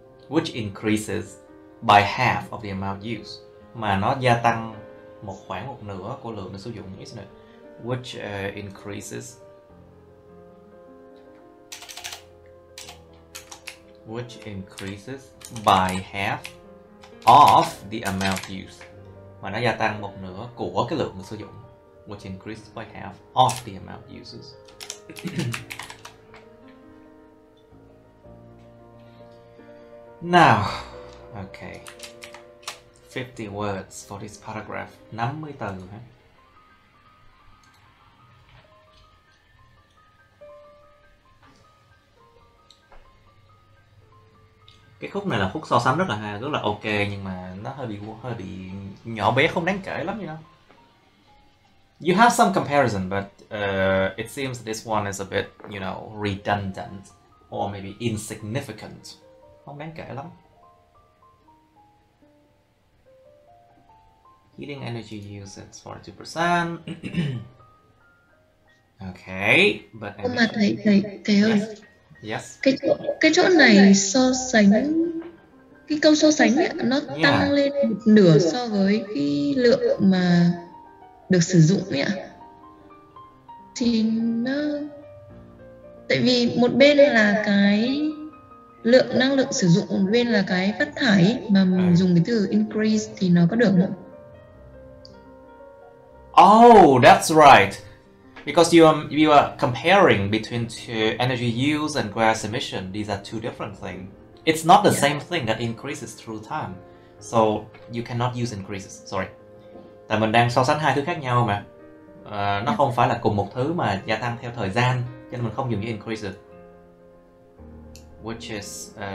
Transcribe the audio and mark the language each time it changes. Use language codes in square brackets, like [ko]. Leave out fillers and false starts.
[en] which increases by half of the amount used, [vi] mà nó gia tăng một khoảng một nửa của lượng được sử dụng, [en] isn't it? Which increases which increases by half of the amount used. [vi] Mà nó gia tăng một nửa của cái lượng sử dụng. [en] Which increases by half of the amount used. Now, okay. 50 words for this paragraph. 50 [vi] từ hả? Cái khúc này là khúc so sánh rất là hay, rất là ok, nhưng mà nó hơi bị nhỏ bé không đáng kể lắm, [en] you know. You have some comparison, but it seems this one is a bit, you know, redundant or maybe insignificant. [vi] Không đáng kể lắm. [en] Heating energy usage 42%. Okay, but [vi] energy... Mà thầy ơi. [en] Yes. Yes. [vi] Cái chỗ này so sánh, cái câu so sánh ấy, nó tăng lên một nửa so với cái lượng mà được sử dụng ấy ạ. Thì nó, tại vì một bên là cái lượng năng lượng sử dụng, một bên là cái phát thải mà mình dùng cái từ increase thì nó có được không? [en] Oh, that's right. Because you are comparing between two, energy use and gas emission. These are two different things. It's not the same thing that increases through time. So you cannot use increases. Sorry. [vi] Tại mình đang so sánh hai thứ khác nhau mà. Nó không phải là cùng một thứ mà gia tăng theo thời gian. Cho nên mình không dùng cái increases. [en] Which is...